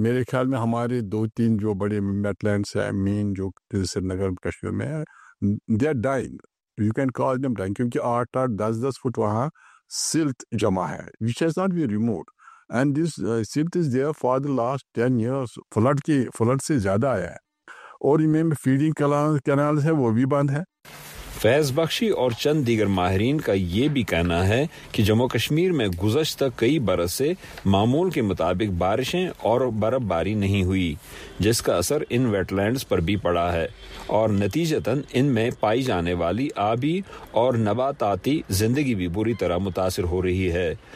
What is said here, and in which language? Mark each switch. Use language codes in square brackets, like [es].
[ur] میرے خیال میں ہمارے دو تین جو بڑے ویٹ لینڈز ہیں مین جو سری نگر کشمیر میں, they are dying. [en] You can call them dying, کیونکہ 8-10 feet وہاں silt جمع ہے, which has not been removed. And this silt is there for the last 10 years. [ur] Flood سے زیادہ آیا ہے. اور ان میں فیڈنگ کینالز ہیں وہ بھی بند ہے. فیض بخشی اور چند دیگر ماہرین کا یہ بھی کہنا ہے کہ جموں کشمیر میں گزشتہ کئی برس سے معمول کے مطابق بارشیں اور برف باری نہیں ہوئی, جس کا اثر ان ویٹ لینڈز پر بھی پڑا ہے, اور نتیجتاً ان میں پائی جانے والی آبی اور نباتاتی زندگی بھی بری طرح متاثر ہو رہی ہے.